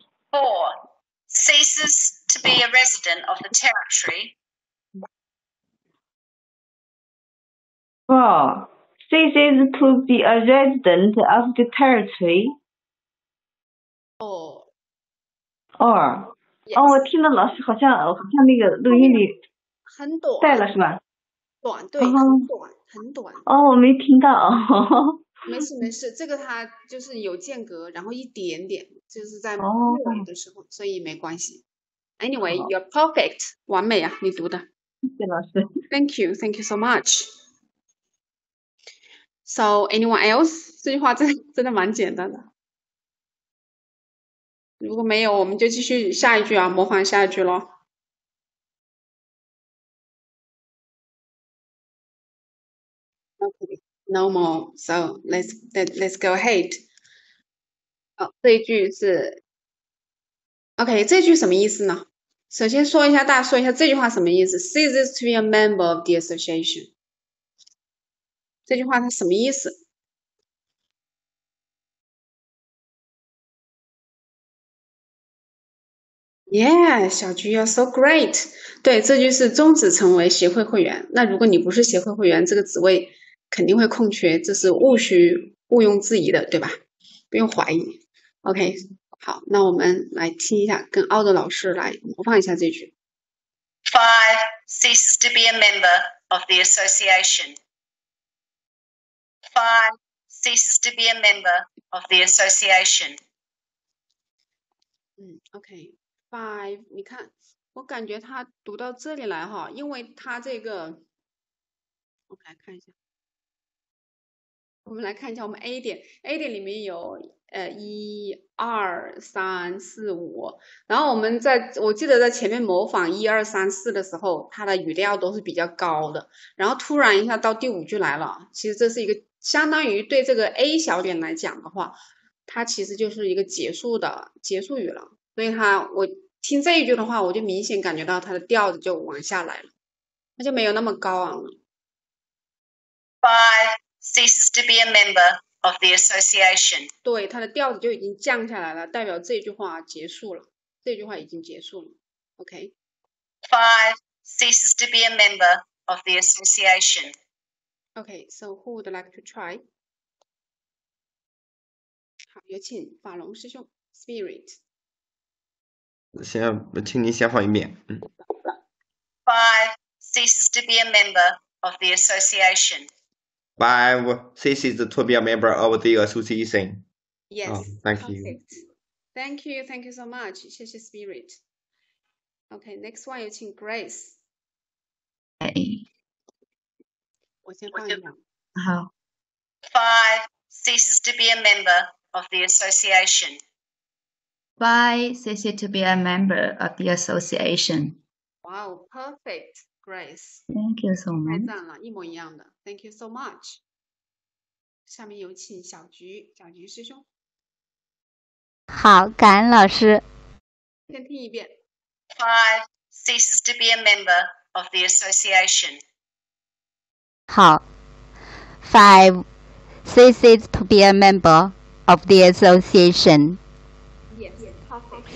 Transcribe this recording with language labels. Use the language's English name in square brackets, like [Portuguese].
[English] Four ceases to be a resident of the territory. Four ceases to be a resident of the territory. Or. Yes. [Chinese] 哦，我听到老师好像那个录音里很短，带了是吧？短，对，很短。很短哦，我没听到。没事，这个它就是有间隔，然后一点点，就是在末尾的时候，所以没关系。 [English] Anyway, you're perfect， [Chinese] 完美啊，你读的。谢谢老师。 [English] Thank you so much. So anyone else？ [Chinese] 这句话真的蛮简单的。如果没有，我们就继续下一句啊，模仿下一句咯。 [English] No more. So let's go ahead. [Chinese] 这一句是 [English] OK. [Chinese] 这句什么意思呢？首先说一下，大家说一下这句话什么意思。 [English] Ceases to be a member of the association. [Chinese] 这句话它什么意思？ [English] Yeah, 小菊 you're so great. [Chinese] 对，这句是终止成为协会会员。那如果你不是协会会员，这个职位肯定会空缺，这是毋庸置疑的，对吧？不用怀疑。 OK, 好，那我们来听一下，跟奥德老师来模仿一下这句。 [English] Five ceases to be a member of the association. Five ceases to be a member of the association. [Chinese] OK, five, 你看我感觉他读到这里来哈，因为他这个我们来看一下。我们来看一下我们 A 点里面有一二三四五，然后我记得在前面模仿一二三四的时候，它的语调都是比较高的，然后突然一下到第五句来了，其实这是一个相当于对这个 A 小点来讲的话，它其实就是一个结束语了，所以它我听这一句的话，我就明显感觉到它的调子就往下来了，它就没有那么高昂了。 [English] Bye. Ceases to be a member of the association. [Chinese] 对，它的调子就已经降下来了，代表这句话结束了。这句话已经结束了。OK. [English] Five ceases to be a member of the association. OK. So who would like to try? [Chinese] 好，有请法龙师兄 Spirit. 请您先放一遍。 [English] Five ceases to be a member of the association. Five ceases to be a member of the association. Yes. Thank you so much. [Chinese] 谢谢 [English] Spirit. Okay, next one, [Chinese] 有请 [English] Grace. Hey. [Chinese] 我先放一秒。好。 [English] Five ceases to be a member of the association. Five ceases to be a member of the association. Wow, perfect. Grace. Thank you so much. [Chinese] 太赞了，一模一样的。 [English] Thank you so much. [Chinese] 下面有请小菊，小菊师兄。好，感恩老师。先听一遍。 [English] Five ceases to be a member of the association. [Chinese] 好。 [English] Five ceases to be a member of the association. Yes, perfect.